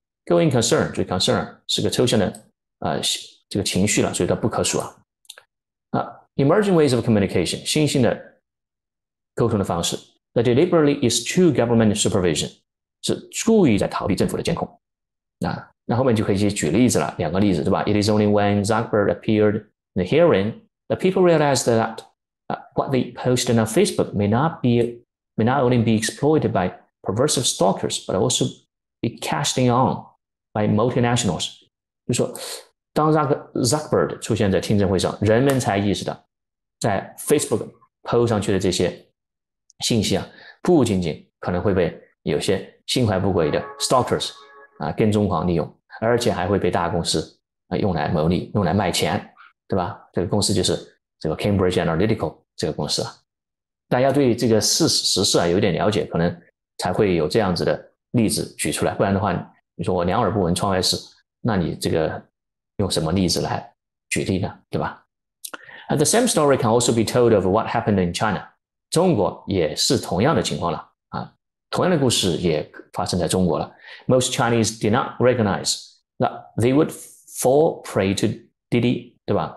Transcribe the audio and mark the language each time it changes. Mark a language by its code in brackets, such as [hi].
[zh] Going concern，就 concern 是个抽象的这个情绪了，所以它不可数啊。 [en] Emerging ways of communication, [zh] 新兴的沟通的方式 [en] that deliberately eschew government supervision, [zh] 是故意在逃避政府的监控。那后面就可以举例子了，两个例子，对吧？ [en] It is only when Zuckerberg appeared in the hearing that people realized that what they posted on Facebook may not only be exploited by perversive stalkers, but also be casting on by multinationals. [zh] 就说当 Zuckerberg 出现在听证会上，人们才意识到在 Facebook post 上去的这些信息啊，不仅仅可能会被有些心怀不轨的 stalkers 啊跟踪狂利用，而且还会被大公司啊用来牟利，用来卖钱，对吧？这个公司就是这个 Cambridge Analytical 这个公司啊。大家对这个时事啊有点了解，可能才会有这样子的例子举出来，不然的话你说我两耳不闻窗外事，那你这个用什么例子来举例呢，对吧？ [en] And the same story can also be told of what happened in China. [zh] 中国也是同样的情况了啊，同样的故事也发生在中国了。 [en] Most Chinese did not recognize that they would fall prey to Didi, [zh] 对吧？